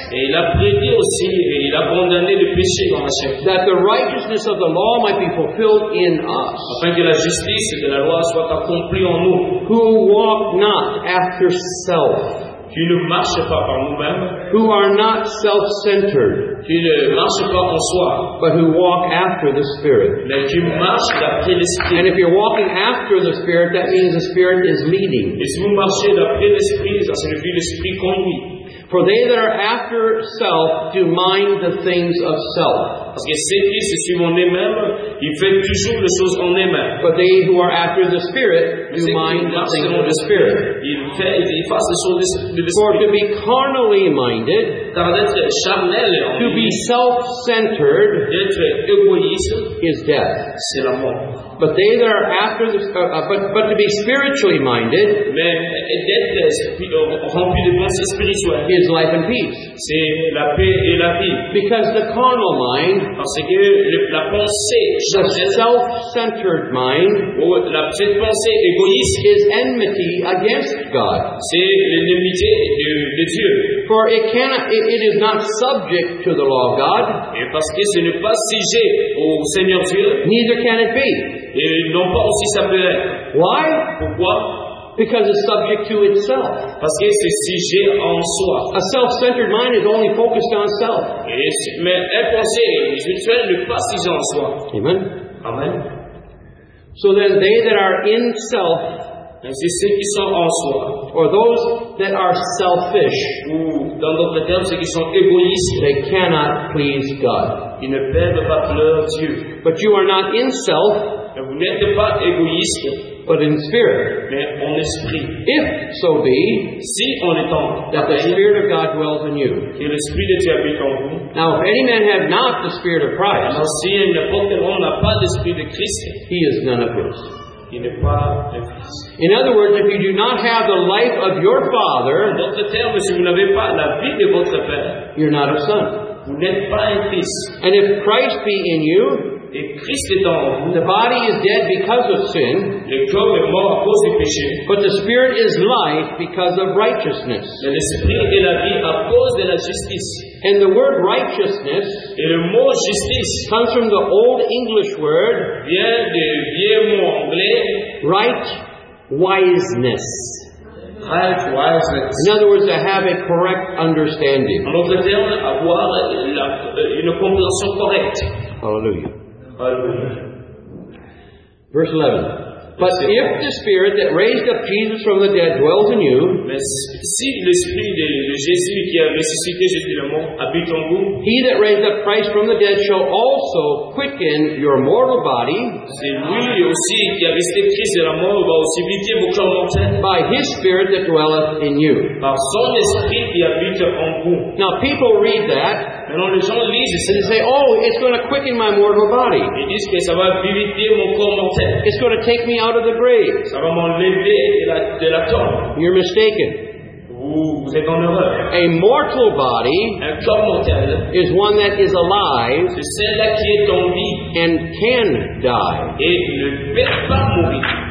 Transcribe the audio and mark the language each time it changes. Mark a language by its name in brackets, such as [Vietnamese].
[French] Et il a prédit aussi, et il a condamné le péché dans la chair. [English] That the righteousness of the law might be fulfilled in us. [French] Afin que la justice de la loi soit accomplie en nous. [English] Who walk not after self. [French] Qui ne marche pas par nous-mêmes. [English] Who are not self-centered. [French] Qui ne marche pas en soi. [English] But who walk after the Spirit. [French] Mais qui marche d'après l'Esprit. [English] And if you're walking after the Spirit, that means the Spirit is leading. [French] Et si vous marchez d'après l'Esprit, ça signifie l'Esprit conduit. [English] For they that are after self do mind the things of self. [French] Parce que ceux qui se suivent en eux-mêmes, ils font toujours les choses en eux-mêmes. [English] But they who are after the Spirit do mind the things of the Spirit. For to be carnally minded, to be self-centered, is death. But they that are after the but to be spiritually minded, is life and peace. [French] C'est la paix et la vie. [English] Because the carnal mind, [French] parce que la pensée charnelle, [English] the self-centered mind, [French] ou la pensée égoïste, [English] is enmity against God. [French] C'est l'ennemité de Dieu. [English] For it cannot, it is not subject to the law of God. [French] Et parce que ce n'est pas sujet au Seigneur Dieu. [English] Neither can it be. [French] Et non pas aussi ça peut être. [English] Why? [French] Pourquoi? [English] Because it's subject to itself. [French] Parce que c'est sujet en soi. [English] A self-centered mind is only focused on self. [French] Mais être pensé spirituel n'est pas sujet en soi. [English] Amen. [French] Amen. [English] So then they that are in self, [French] c'est ceux qui sont en soi, [English] or those that are selfish, [French] ou dans d'autres termes, ceux qui sont égoïstes, [English] they cannot please God. [French] Ils ne peuvent pas plaire Dieu. [English] But you are not in self. [French] Et vous n'êtes pas égoïste. [English] But in spirit. [French] Mais en esprit. [English] If so be, [French] si on est en, [English] that the Spirit of God dwells in you. [French] Que l'Esprit de Dieu habite en vous. [English] Now, if any man have not the Spirit of Christ, [French] alors si un n'importe quel homme n'a pas l'Esprit de Christ, [English] he is none of his. [French] Il n'est pas de fils. [English] In other words, if you do not have the life of your father, [French] en d'autres termes, si vous n'avez pas la vie de votre père, [English] you're not a son. [French] Vous n'êtes pas un fils. [English] And if Christ be in you, [French] et Christ est en vous, [English] the body is dead because of sin, [French] le corps est mort à cause du péché, [English] but the spirit is life because of righteousness. [French] Mais l'esprit est la vie à cause de la justice. [English] And the word righteousness, [French] et le mot justice, [English] comes from the old English word, [French] vient du vieux mot anglais, [English] right wiseness. Right-wiseness. In other words, to have a correct understanding. [French] En d'autres termes, avoir une compréhension correcte. [English] Hallelujah. [French] Hallelujah. [English] Verse 11. But if the Spirit that raised up Jesus from the dead dwells in you, [French] si l'Esprit de Jésus qui a ressuscité Jésus le mort habite en vous, [English] he that raised up Christ from the dead shall also quicken your mortal body. [French] C'est lui aussi qui a ressuscité Christ de la mort va aussi vivifier vos corps mortels. [English] By His Spirit that dwelleth in you. [French] Par son Esprit qui habite en vous. [English] Now people read that. [French] Maintenant, les gens lisent ça. [English] And they say, oh, it's going to quicken my mortal body. [French] Ils disent que ça va vivifier mon corps mortel. [English] It's going to take me out of the grave. [French] Ça va m'enlever de la tombe. [English] You're mistaken. [French] Vous êtes en erreur. [English] A mortal body, [French] un corps mortel, [English] is one that is alive. [French] C'est celle-là qui est en vie. [English] And can die. [French] Et ne peut pas mourir.